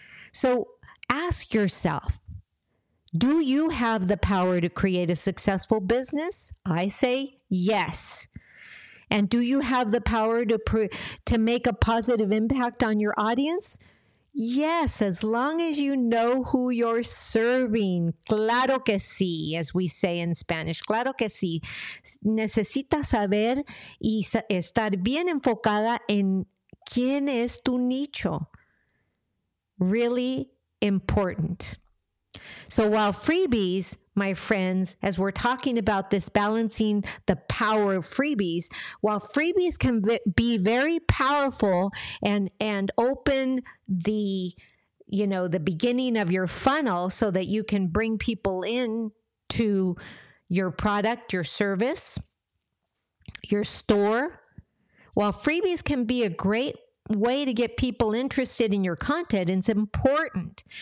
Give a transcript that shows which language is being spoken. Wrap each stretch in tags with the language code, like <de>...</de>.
<en>So ask yourself, do you have the power to create a successful business? I say yes. And do you have the power to make a positive impact on your audience? Yes, as long as you know who you're serving.</en> <es>Claro que sí,</es> <en>as we say in Spanish.</en> <es>Claro que sí. Necesitas saber y estar bien enfocada en quién es tu nicho.</es> <en>Really important. So while freebies, my friends, as we're talking about this balancing the power of freebies, while freebies can be very powerful and open the, you know, the beginning of your funnel so that you can bring people in to your product, your service, your store, while freebies can be a great way to get people interested in your content, it's important.</en>